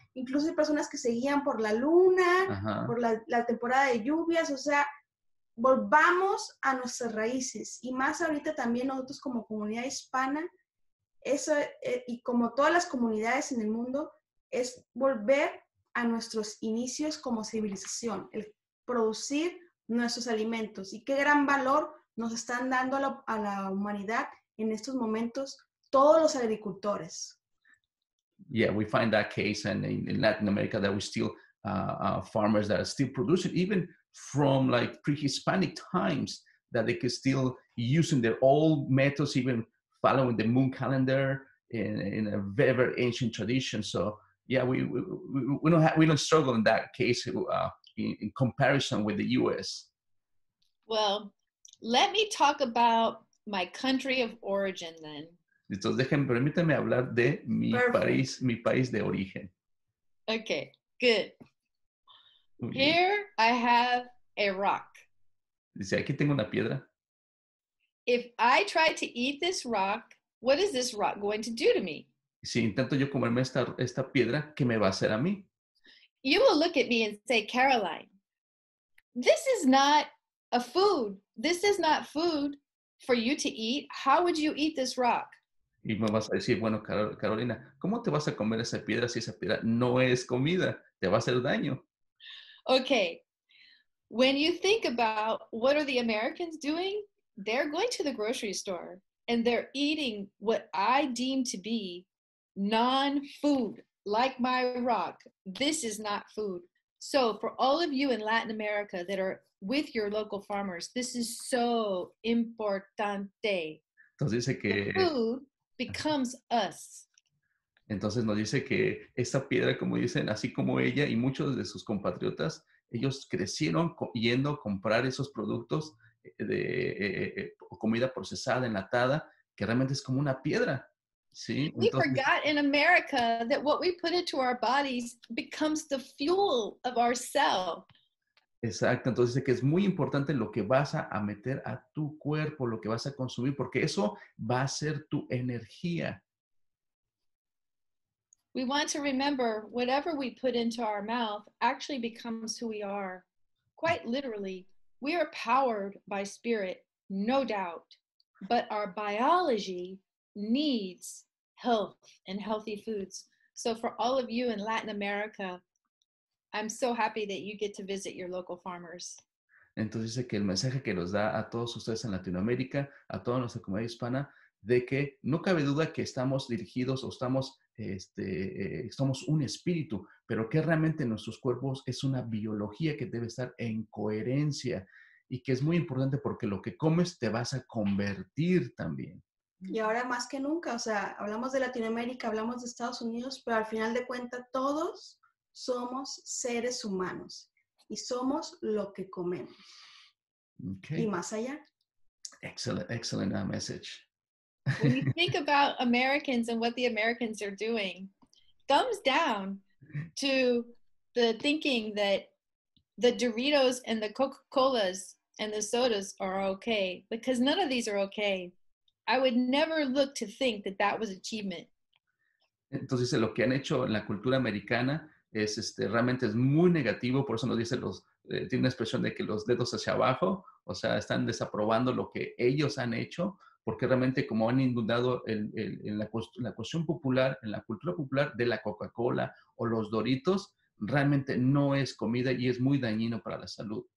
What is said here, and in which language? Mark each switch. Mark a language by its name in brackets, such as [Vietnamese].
[Spanish] Incluso hay personas que se guían por la luna, ajá, por la temporada de lluvias, o sea, volvamos a nuestras raíces y más ahorita también nosotros como comunidad hispana y como todas las comunidades en el mundo es volver a nuestros inicios como civilización, el producir nuestros alimentos y qué gran valor nos están dando a la humanidad en estos momentos todos los agricultores. [English] Yeah, we find that case in Latin America that we still farmers that are still producing even from like pre-Hispanic times, that they could still using their old methods, even following the moon calendar in a very, very ancient tradition. So yeah, we don't struggle in that case in comparison with the US. Well, let me talk about my country of origin then. [Spanish] Entonces permítame hablar de mi país de origen. [English] Okay, good. Here I have a rock. [Spanish] Dice, aquí tengo una piedra. [English] If I try to eat this rock, what is this rock going to do to me? [Spanish] si intento yo comerme esta piedra, ¿qué me va a hacer a mí? [English] You will look at me and say, Caroline, this is not a food. This is not food for you to eat. How would you eat this rock? [Spanish] Y me vas a decir, bueno, Carolina, ¿cómo te vas a comer esa piedra si esa piedra no es comida? Te va a hacer daño. [English] Okay. When you think about what are the Americans doing, they're going to the grocery store and they're eating what I deem to be non-food, like my rock. This is not food. So for all of you in Latin America that are with your local farmers, this is so importante. [Spanish] Entonces dice que... [English] The food becomes us. [Spanish] Entonces nos dice que esta piedra, como dicen, así como ella y muchos de sus compatriotas, ellos crecieron yendo a comprar esos productos de comida procesada, enlatada, que realmente es como una piedra. ¿Sí? [English] Entonces, we forgot in America that what we put into our bodies becomes the fuel of our cell. [Spanish] Exacto. Entonces dice que es muy importante lo que vas a meter a tu cuerpo, lo que vas a consumir, porque eso va a ser tu energía. [English] We want to remember whatever we put into our mouth actually becomes who we are. Quite literally, we are powered by spirit, no doubt, but our biology needs health and healthy foods. So for all of you in Latin America, I'm so happy that you get to visit your local farmers. [Spanish] Entonces dice que el mensaje que nos da a todos ustedes en Latinoamérica, a toda nuestra comunidad hispana, de que no cabe duda que estamos dirigidos o estamos somos un espíritu, pero que realmente nuestros cuerpos es una biología que debe estar en coherencia y que es muy importante porque lo que comes te vas a convertir también. Y ahora más que nunca, o sea, hablamos de Latinoamérica, hablamos de Estados Unidos, pero al final de cuentas todos somos seres humanos y somos lo que comemos. [English] Okay. [Spanish] Y más allá. [English] Excellent message. When you think about Americans and what the Americans are doing, thumbs down to the thinking that the Doritos and the Coca-Colas and the sodas are okay, because none of these are okay. I would never look to think that that was achievement. [Spanish] Entonces, lo que han hecho en la cultura americana es realmente es muy negativo, por eso nos dicen los, tiene una expresión de que los dedos hacia abajo, o sea, están desaprobando lo que ellos han hecho. Porque realmente como han inundado en la cuestión popular, en la cultura popular de la Coca-Cola o los Doritos, realmente no es comida y es muy dañino para la salud.